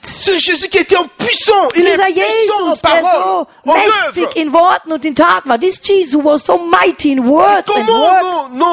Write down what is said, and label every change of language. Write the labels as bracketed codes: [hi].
[fr] Ce Jésus qui était puissant, il est puissant en parole. [de] Dieser Jesus, der so mächtig in Worten und in Taten war. [en] This Jesus was so mighty in words and works.